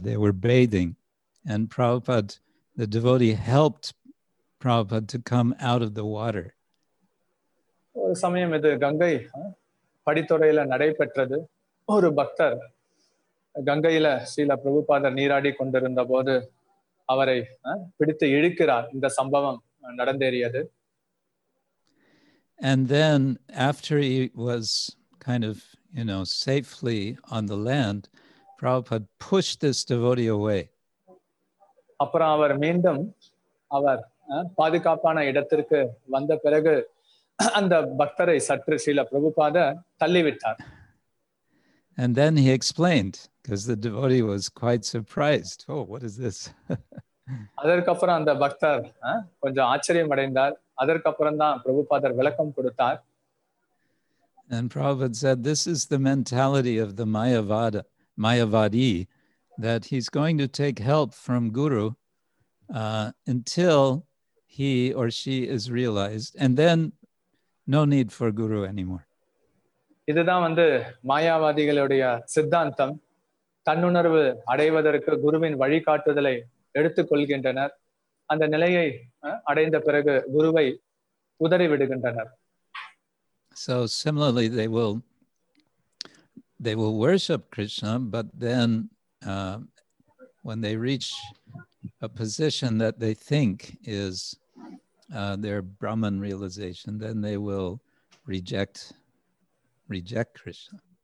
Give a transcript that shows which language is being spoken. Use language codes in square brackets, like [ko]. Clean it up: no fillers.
[en] They were bathing and the devotee helped Prabhupada to come out of the water. [ta] ஒரு சமயம் இது கங்கை படித்துறையில நடைபெற்றது. ஒரு பக்தர் கங்கையில ஸ்ரீல பிரபுபாதர் நீராடி கொண்டிருந்த போது அவரை பிடித்து இழுக்கிறார். இந்த சம்பவம் நடந்தேறியது. [en] And then after he was kind of, you know, safely on the land, Prabhupada pushed this devotee away. [ta] அப்புறம் அவர் மீண்டும் அவர் பாதுகாப்பான இடத்திற்கு வந்த பிறகு அந்த பக்தரை சற்று சில Prabhupada தள்ளிவிட்டார். [en] And then he explained, because the devotee was quite surprised. Oh, what is this? [ta] அதற்கப்புறம் அந்த பக்தர் கொஞ்சம் ஆச்சரியம் அடைந்தார். அதற்கப்புறம் தான் பிரபுபாதர் விளக்கம் கொடுத்தார். [en] And Prabhupada said, this is the mentality of the Mayavada, Mayavadi, that he's going to take help from Guru until he or she is realized. And then, no need for Guru anymore. [ta] இதுதான் வந்து மாயாவாதிகளுடைய சித்தாந்தம். தன்னுணர்வு அடைவதற்கு குருவின் வழிகாட்டுதலை எடுத்துக்கொள்கின்றனர். அந்த நிலையை அடைந்த பிறகு குருவை உதறிவிடுகின்றனர். [en] So similarly, they will worship Krishna, but then when they reach a position that they think is their Brahman realization, then they will reject Krishna.